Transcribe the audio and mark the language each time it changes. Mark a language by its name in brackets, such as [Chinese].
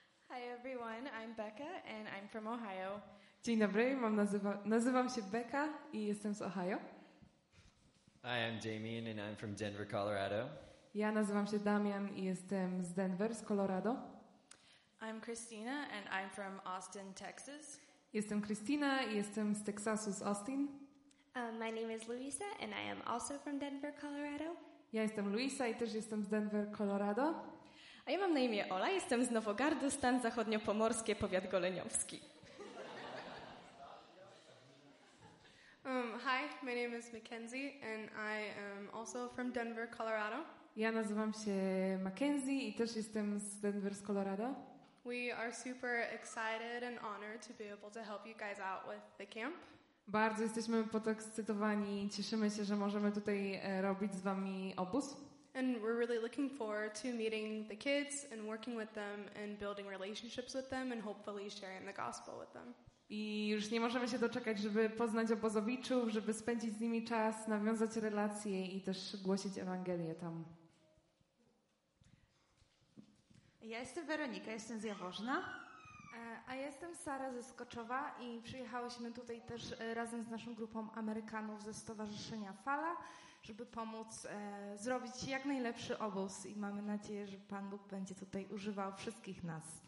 [English] Hi everyone, I'm Becca and I'm from Ohio. [Polish] Dzień dobry, nazywam się Becca i jestem z Ohio. [English] I am Damian and I'm from Denver, Colorado. [Polish] Ja nazywam się Damian i jestem z Denver, z Colorado. [English] I'm Christina and I'm from Austin, Texas. [Polish] Jestem Christina i jestem z Teksasu, z Austin. [English] My name is Luisa and I am also from Denver, Colorado. [Polish] Ja jestem Luisa i też jestem z Denver, Colorado. A ja mam na imię Ola, jestem z Nowogardu, stan zachodniopomorskie, powiat goleniowski. [English] Hi, my name is Mackenzie and I am also from Denver, Colorado. [Polish] Ja nazywam się Mackenzie i też jestem z Denver, z Colorado. [English] We are super excited and honored to be able to help you guys out with the camp. [Polish] Bardzo jesteśmy podekscytowani i cieszymy się, że możemy tutaj robić z wami obóz. [English] And we're really looking forward to meeting the kids and working with them and building relationships with them and hopefully sharing the gospel with them. [Polish] I już nie możemy się doczekać, żeby poznać obozowiczów, żeby spędzić z nimi czas, nawiązać relacje i też głosić Ewangelię tam. Ja jestem Weronika, jestem z Jaworzna. A jestem Sara ze Skoczowa i przyjechałyśmy tutaj też razem z naszą grupą Amerykanów ze Stowarzyszenia Fala, żeby pomóc zrobić jak najlepszy obóz i mamy nadzieję, że Pan Bóg będzie tutaj używał wszystkich nas.